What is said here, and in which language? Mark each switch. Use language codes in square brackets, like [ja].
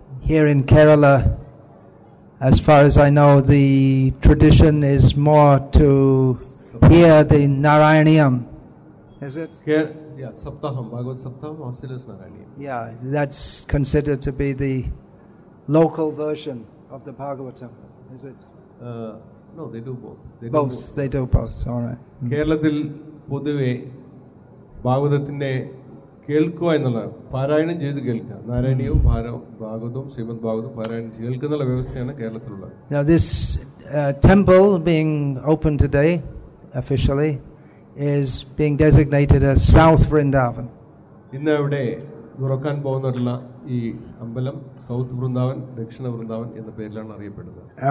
[en] Here in Kerala, as far as I know, the tradition is more to hear the Narayaniyam. Is it? Yeah, Saptaham, Bhagavad Saptaham, Asilas Narayaniyam. Yeah, that's considered to be the local version of the Bhagavatam. Is it? No, they do both. They do both, all right. [ml] Kerala-thil poduve Bhagavatinte കേൾക്കുക എന്നുള്ള പാരായണം ചെയ്ത് കേൾക്കുക, നാരായണീയവും ഭാഗവതവും ശ്രീമദ് ഭാഗവതവും പാരായണം കേൾക്കുന്നുള്ള വ്യവസ്ഥയാണ് കേരളത്തിലുള്ളത്. [en] Now this temple being opened today officially is being designated as South Vrindavan. [ml] ഇന്ന് ഇവിടെ തുറക്കാൻ പോകുന്നുള്ള ഈ അമ്പലം സൗത്ത് വൃന്ദാവൻ, ദക്ഷിണ വൃന്ദാവൻ എന്ന പേരിലാണ് അറിയപ്പെടുന്നത്.